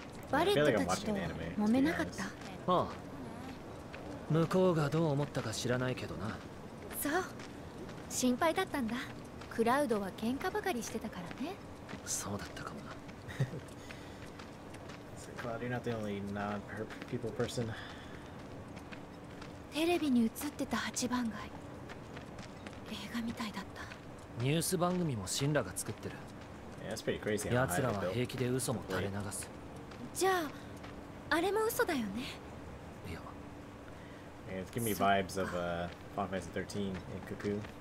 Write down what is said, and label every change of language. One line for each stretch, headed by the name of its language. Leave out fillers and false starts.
Japanese: バレットたちと揉めなかった。ああ。向こうがどう思ったか知らないけどな。そう。心配だったんだ。クラウドは喧嘩ばかりしてたからね。そうだったかもな。
English: Cloud, you're not the only non-people person.
Japanese: テレビに映ってた8番街。映画みたいだった。ニュース番組もシンラが作ってる。やつらは平気で嘘も垂れ流す。じゃあ、あれも嘘だよね。いや。
English: It's giving me vibes of Final Fantasy 13 in Cuckoo.